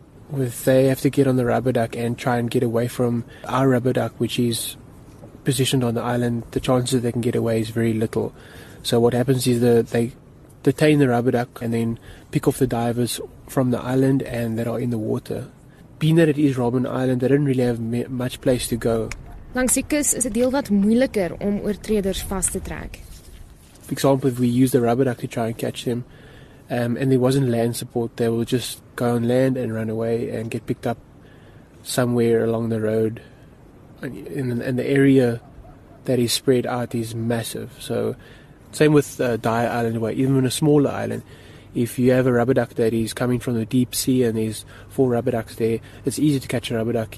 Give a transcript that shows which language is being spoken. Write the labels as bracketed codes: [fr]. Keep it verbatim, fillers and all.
[en] With they have to get on the rubber duck and try and get away from our rubber duck, which is positioned on the island. The chances they can get away is very little. So what happens is that they detain the rubber duck and then pick off the divers from the island and that are in the water. Being that it is Robben Island, they don't really have me- much place to go. [af] Langs die kus is 'n deel wat moeiliker om oortreders vas te trek. [en] For example, if we used the rubber duck to try and catch them, um, and there wasn't land support, they will just go on land and run away and get picked up somewhere along the road. And, and the area that is spread out is massive. So same with uh, Dyer Island, where even on a smaller island, if you have a rubber duck that is coming from the deep sea and there's four rubber ducks there, it's easy to catch a rubber duck.